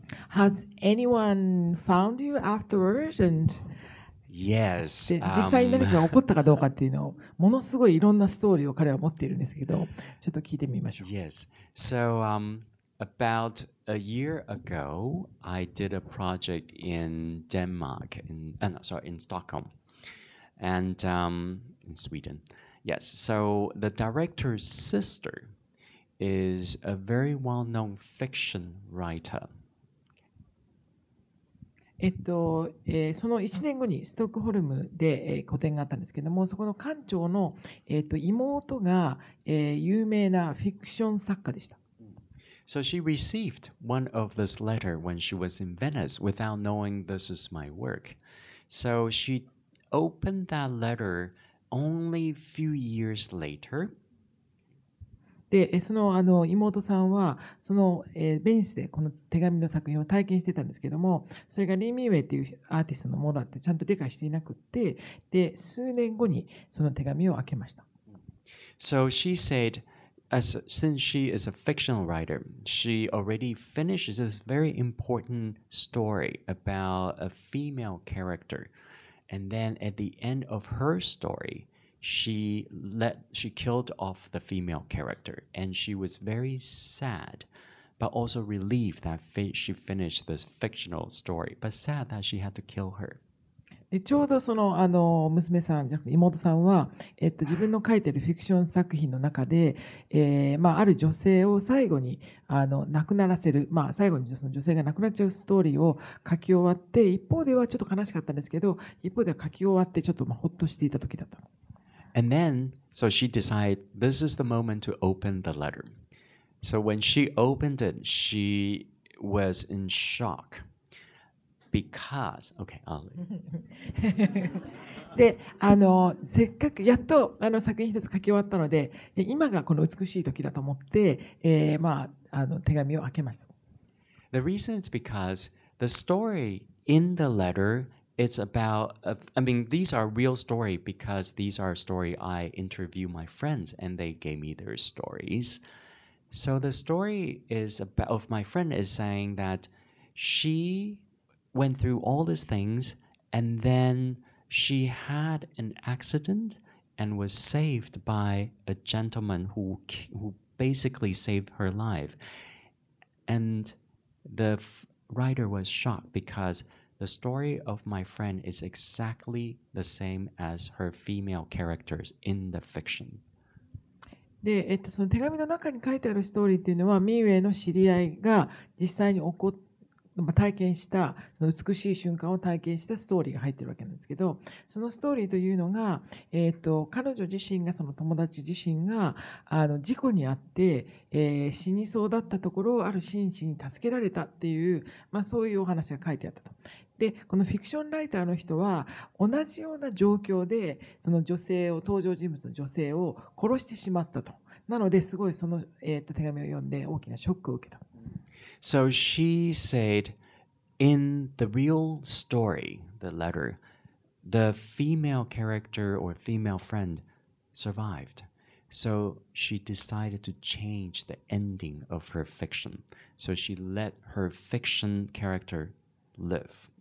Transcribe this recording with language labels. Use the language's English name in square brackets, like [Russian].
[English] Has anyone found you afterwards? And yes. [Japanese] 実際何か起こったかどうかっていうのをものすごいいろんなストーリーを彼は持っているんですけど、ちょっと聞いてみましょう。 [English] Yes. So, about a year ago, I did a project in Denmark, in Stockholm, and in Sweden. Yes. So the director's sister is a very well-known fiction writer. [Japanese] その1年後にストックホルムで、個展があったんですけども、そこの館長の、妹が、有名なフィクション作家でした。 [English] So she received one of this letter when she was in Venice without knowing this is my work. So she opened that letter only few years later. [Japanese] で、その、あの、妹さんは、その、ベニスでこの手紙の作品を体験してたんですけども、それがリー・ミーウェイというアーティストのものだってちゃんと理解していなくって、で、数年後にその手紙を開けました。 [English] So she said, as, since she is a fictional writer, she already finishes this very important story about a female character. And then at the end of her story,She killed off the female character, and she was very sad, but also relieved that she finished this fictional story, but sad that she had to kill her. [Japanese] でちょうどその、 あの娘さんじゃなくて妹さんは、自分の書いてるフィクション作品の中で、まあ、ある女性を最後にあの亡くならせる、まあ、最後にその女性が亡くなっちゃうストーリーを書き終わって、一方ではちょっと悲しかったんですけど、一方では書き終わってちょっとまあほっとしていた時だった。 [English] And then, so she decided this is the moment to open the letter. So when she opened it, she was in shock because, okay, I'll leave. [Japanese] で、あの、せっかくやっとあの作品一つ書き終わったので、今がこの美しい時だと思って、まあ、あの手紙を開けました。 [English] The reason is because the story in the letter. It's about, I mean, these are real story because these are story I interview my friends and they gave me their stories. So the story is about, of my friend is saying that she went through all these things and then she had an accident and was saved by a gentleman who basically saved her life. And the writer was shocked becausethe story of my friend is exactly the same as her female characters in the fiction. [Japanese] で、その手紙の中に書いてあるストーリーっていうのは、ミーウェイの知り合いが実際に起こっ、まあ、体験した、その美しい瞬間を体験したストーリーが入ってるわけなんですけど、そのストーリーというのが、彼女自身が、その友達自身が、あの事故に遭って、死にそうだったところをある紳士に助けられたっていう、まあ、そういうお話が書いてあったと。でこのフィクションライターの人は同じような状況でその女性を登場人物の女性を殺してしまったとなのですごいその、手紙を読んで大きなショックを受けた。 [English] So she said in the real story, the letter, the female character or female friend survived. So she decided to change the ending of her fiction. So she let her fiction character live.